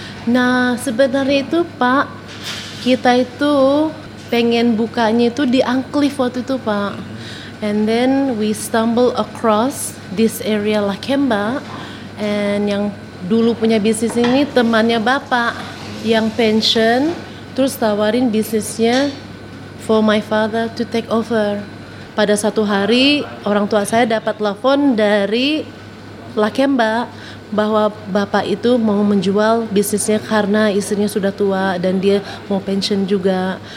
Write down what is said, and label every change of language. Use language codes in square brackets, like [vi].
[id] Nah, sebenarnya itu, Pak, kita itu pengen bukanya itu di Anklif waktu itu Pak. [en] And then we stumble across this area Lakemba. [id] And yang dulu punya bisnis ini temannya Bapak yang pension. Terus tawarin bisnisnya [en] for my father to take over. [id] Pada satu hari orang tua saya dapat telepon dari Lakemba bahwa bapak itu mau menjual bisnisnya karena istrinya sudah tua dan dia mau pensiun juga.